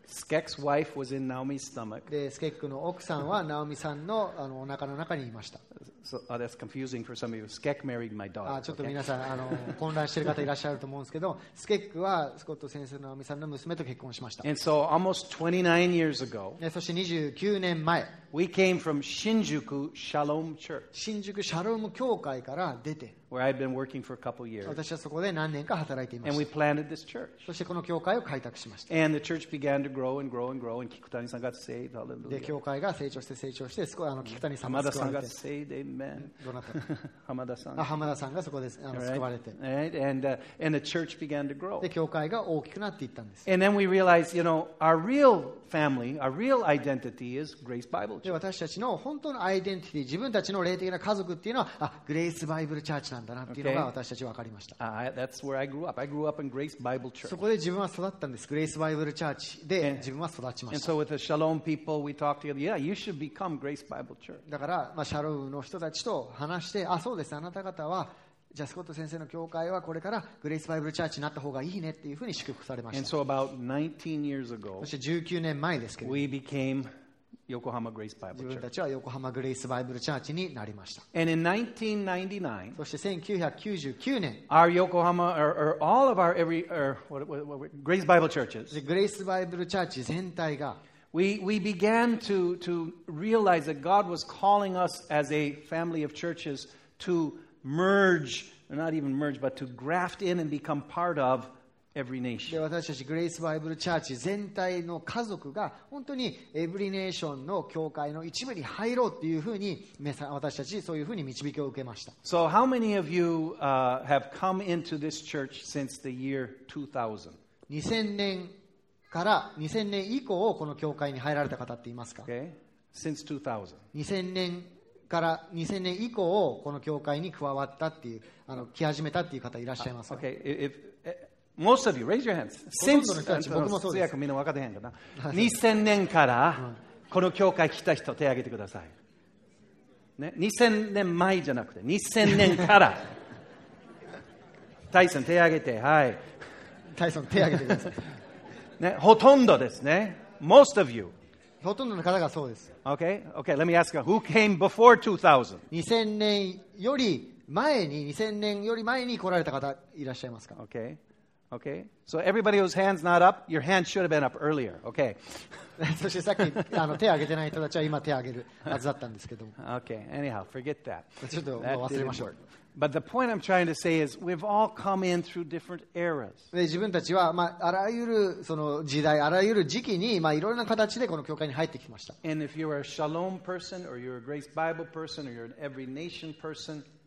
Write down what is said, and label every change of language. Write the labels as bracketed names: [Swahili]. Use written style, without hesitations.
[English] Skek's wife was in Naomi's stomach. [Japanese] で、スケックの奥さんはナオミさんの、お腹の中にいました。 [English] So, that's confusing for some of you. Skek married my daughter. [Japanese] ちょっと皆さん、混乱している方いらっしゃると思うんですけど、スケックはスコット先生のナオミさんの娘と結婚しました。 [English] And so, almost 29 years ago, [Japanese] で、そして29年前、 [English] we came from Shinjuku Shalom Church. [Japanese] 新宿シャローム教会から出て、 [English] where I've been working for a couple years. [Japanese] 私はそこで何年か働いていました。 [English] And we planted this church. [Japanese] そしてこの教会を開拓しました。 [English] And the church began to grow and grow and grow, and Kikutani さんが got saved. Hallelujah. [Japanese] で、教会が成長して成長して、Kikutani さんが [English] 浜田さんが got saved. Amen. [Japanese] どなた？浜田さん。浜田さんがそこで救われて。 [English] Right. And the church began to grow. [Japanese] で、教会が大きくなっていったんです。 [English] And then we realized, you know, our real family, our real identity is Grace Bible Church. [Japanese] で、私たちの本当のアイデンティティ、自分たちの霊的な家族っていうのは、Grace Bible Churchなんだなっていうのが私たち分かりました。 [English] That's where I grew up. I grew up in Grace Bible Church. [Japanese] そこで自分は育ったんです。Grace Bible Church で自分は育ちました。 [English] And so with the Shalom people, we talked together. Yeah, you should become Grace Bible Church. [Japanese] だから、シャロームの人たちと話して、あ、そうです。あなた方は、じゃあスコット先生の教会はこれから Grace Bible Church になった方がいいねっていうふうに祝福されました。 [English] And so about 19 years ago, [Japanese] そして19年前ですけど、 [English] we became Yokohama Grace Bible Church. [Japanese] 自分たちは横浜グレイスバイブルチャーチになりました。 [English] And in 1999, [Japanese] そして1999年、 [English] our Yokohama or all of our every or what Grace Bible churches, [Japanese] the Grace Bible Church 全体が、 [English] we began to realize that God was calling us as a family of churches to merge, not even merge, but to graft in and become part of. Every nation. [Japanese] で私たちグレイスバイブルチャーチ全体の家族が本当にエブリネーションの教会の一部に入ろうというふうに私たちそういうふうに導きを受けました。 [English] So how many of you, have come into this church since the year 2000? [Japanese] 2000年から2000年以降をこの教会に入られた方っていますか？ [English] Okay. Since 2000. [Japanese] 2000年から2000年以降をこの教会に加わったっていう来始めたっていう方いらっしゃいますか？ [English] Okay. If... Most of you, raise your hands. [Japanese] Since, ほとんどの人たち、僕もそうです。 2000年からこの教会来た人、手を挙げてください。ね、2000年前じゃなくて、2000年から。タイソン、手を挙げて、はい。タイソン、手を挙げてください。ね、ほとんどですね。 [English] Most of you. [Japanese] ほとんどの方がそうです。 [English] Okay? Okay, let me ask you, who came before 2000? [Japanese] 2000年より前に、2000年より前に来られた方いらっしゃいますか [English] ?Okay. Okay. So everybody whose hand's not up, your hand should have been up earlier. Okay. [Japanese] そしてさっきあの手を挙げてない人たちは今手を挙げるはずだったんですけども。 [English] Okay. Anyhow, forget that. [Japanese] ちょっともう忘れましょう。 [English] But the point I'm trying to say is we've all come in through different eras. [Japanese] 自分たちは、まあ、あらゆるその時代、あらゆる時期に、まあ、いろいろな形でこの教会に入ってきました。 [English] And if you're a shalom person, or you're a grace Bible person, or you're an every nation person,